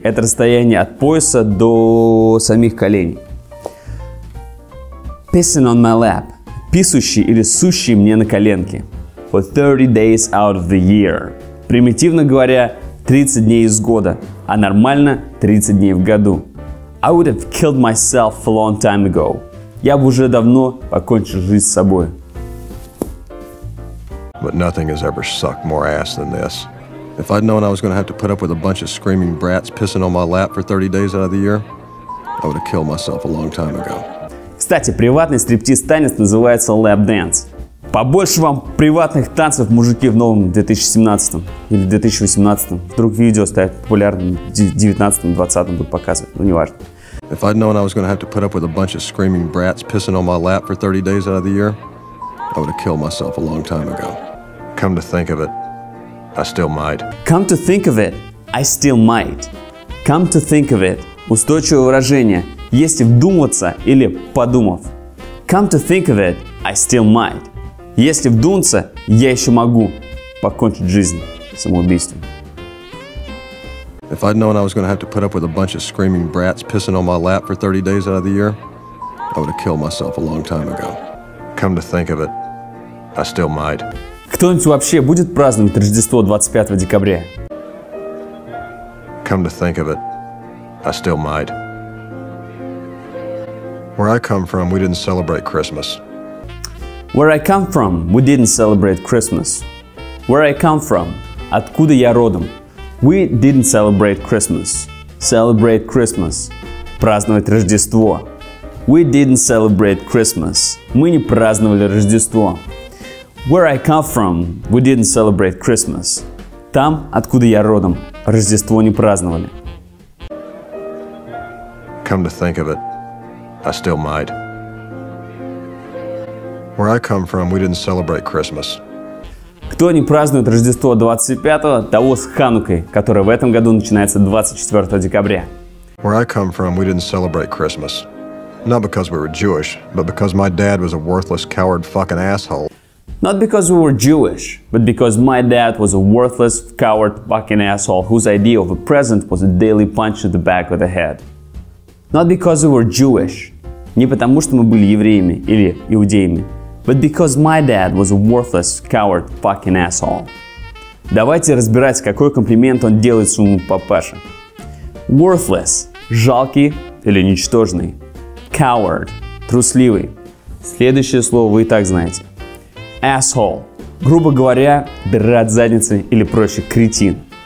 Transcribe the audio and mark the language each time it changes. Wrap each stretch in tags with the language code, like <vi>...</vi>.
<ru>Это расстояние от пояса до самих коленей.</ru> <en>Pissing on my lap.</en> <ru>Писающий или сущий мне на коленки.</ru> <en>For 30 days out of the year.</en> <ru>Примитивно говоря, 30 дней из года. А нормально, 30 дней в году.</ru> <en>I would have killed myself a long time ago.</en> <ru>Я бы уже давно покончил жизнь с собой.</ru> <en>But nothing has ever sucked more ass than this. If I'd known I was going to have to put up with a bunch of screaming brats pissing on my lap for 30 days out of the year, I would have killed myself a long time ago.</en> <ru>Кстати, приватный стриптиз-танец называется lap dance. Побольше вам приватных танцев, мужики, в новом 2017 или 2018. Вдруг видео станет популярным в 2019-2020 будут показывать, ну неважно.</ru> <en>If I'd known I was going to have to put up with a bunch of screaming brats pissing on my lap for 30 days out of the year, I would have killed myself a long time ago. Come to think of it, I still might. Come to think of it, I still might. Come to think of it.</en> <ru>Устойчивое выражение, если вдуматься или подумав.</ru> <en>Come to think of it, I still might.</en> <ru>Если вдуматься, я еще могу покончить жизнь самоубийством.</ru> <en>If I'd known I was going to have to put up with a bunch of screaming brats pissing on my lap for 30 days out of the year, I would have killed myself a long time ago. Come to think of it, I still might.</en> <ru>Кто-нибудь вообще будет праздновать Рождество 25 декабря?</ru> <en>Come to think of it, I still might. Where I come from, we didn't celebrate Christmas. Where I come from, we didn't celebrate Christmas. Where I come from,</en> <ru>откуда я родом?</ru> <en>We didn't celebrate Christmas. Celebrate Christmas.</en> <ru>Праздновать Рождество.</ru> <en>We didn't celebrate Christmas.</en> <ru>Мы не праздновали Рождество.</ru> <en>Where I come from, we didn't celebrate Christmas.</en> <ru>Там, откуда я родом, Рождество не праздновали.</ru> <en>Come to think of it, I still might. Where I come from, we didn't celebrate Christmas.</en> <ru>Кто не празднует Рождество 25-го, того с Ханукой, которая в этом году начинается 24 декабря.</ru> <en>Where I come from, we didn't celebrate Christmas. Not because we were Jewish, but because my dad was a worthless coward fucking asshole. Not because we were Jewish, but because my dad was a worthless coward fucking asshole whose idea of a present was a daily punch to the back of the head. Not because we were Jewish.</en> <ru>Не потому что мы были евреями или иудеями.</ru> <en>But because my dad was a worthless, coward, fucking asshole.</en> <ru>Давайте разбирать, какой комплимент он делает своему папаше. Worthless – жалкий или ничтожный. Coward – трусливый. Следующее слово вы и так знаете. Asshole – грубо говоря, дыра от задницы или проще – кретин.</ru>